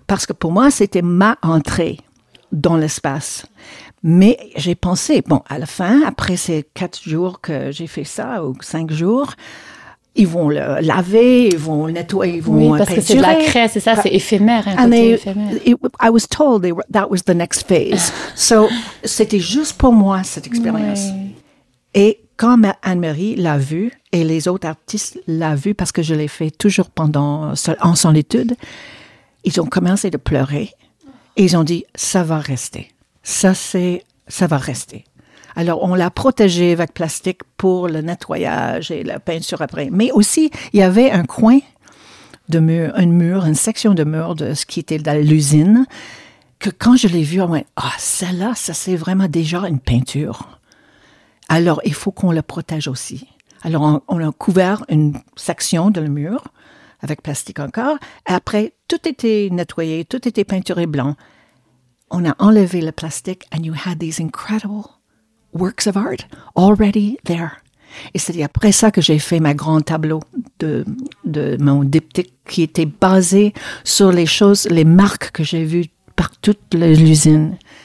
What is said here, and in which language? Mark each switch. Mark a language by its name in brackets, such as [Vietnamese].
[French] parce que pour moi, c'était ma entrée dans l'espace. Mais j'ai pensé, bon, à la fin, après ces 4 jours que j'ai fait ça, ou 5 jours, ils vont le laver, ils vont le nettoyer, ils vont peinturer. Oui, parce que c'est de la craie, c'est ça, c'est éphémère, un côté éphémère. [English] I was told that was the next phase. [French] So, c'était juste pour moi, cette expérience. Oui. Et quand Anne-Marie l'a vu, et les autres artistes l'ont vu, parce que je l'ai fait toujours pendant, en solitude, ils ont commencé à pleurer. Et ils ont dit, ça va rester. Ça va rester. Alors, on l'a protégé avec plastique pour le nettoyage et la peinture après. Mais aussi, il y avait un coin de mur, un mur, une section de mur de ce qui était dans l'usine, que quand je l'ai vu, on m'a dit, ah, celle-là, ça c'est vraiment déjà une peinture. Alors, il faut qu'on la protège aussi. Alors, on a couvert une section de le mur avec plastique encore. Après, tout était nettoyé, tout était peinturé blanc. On a enlevé le plastique [English] and you had these incredible works of art already there. [French] Et c'est après ça que j'ai fait ma grand tableau de mon diptyque qui était basé sur les choses, les marques que j'ai vues par toute l'usine.